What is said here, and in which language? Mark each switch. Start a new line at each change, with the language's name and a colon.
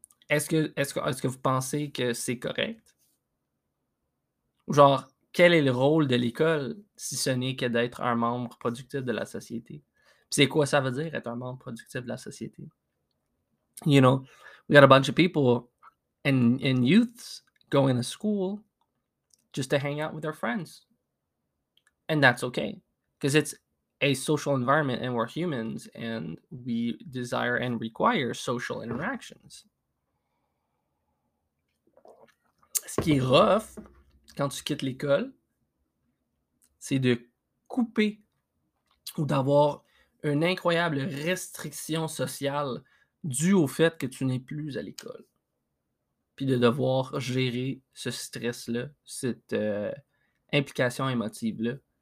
French: Est-ce que vous pensez que c'est correct? Genre, quel est le rôle de l'école si ce n'est que d'être un membre productif de la société? Puis c'est quoi ça veut dire être un membre productif de la société?
English: You know, we got a bunch of people and youths going to school just to hang out with their friends. And that's okay. Because it's a social environment and we're humans and we desire and require social interactions.
French: Ce qui est rough quand tu quittes l'école, c'est de couper ou d'avoir une incroyable restriction sociale due au fait que tu n'es plus à l'école. Puis de devoir gérer ce stress-là, cette implication émotive-là.